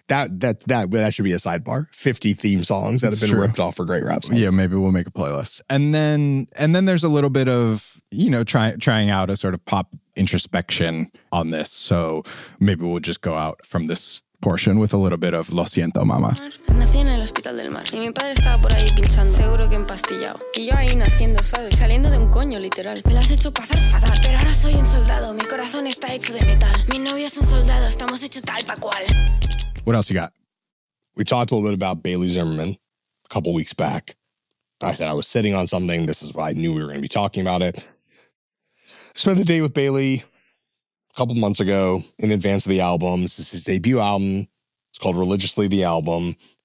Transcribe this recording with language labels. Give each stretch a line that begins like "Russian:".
English: That should be a sidebar. 50 theme songs that have been ripped off for great rap songs. Yeah, maybe we'll make a playlist. And then there's a little bit of, you know, trying out a sort of pop introspection on this. So maybe we'll just go out from this portion with a little bit of Lo Siento Mama.
Spanish: Nací en el hospital del mar y mi padre estaba por ahí pinchando, seguro que empastillado. Y yo ahí naciendo, ¿sabes? Saliendo de un coño, literal. Me lo has hecho pasar fatal, pero ahora soy un soldado. Mi corazón está hecho de metal. Mi novio es un soldado, estamos hecho tal pa' cual.
English: What else you got? We talked a little bit about Bailey Zimmerman a couple weeks back. I said I was sitting on something. This is why I knew we were going to be talking about it. Spent the day with Bailey a couple months ago in advance of the album. This is his debut album. It's called Religiously the Album.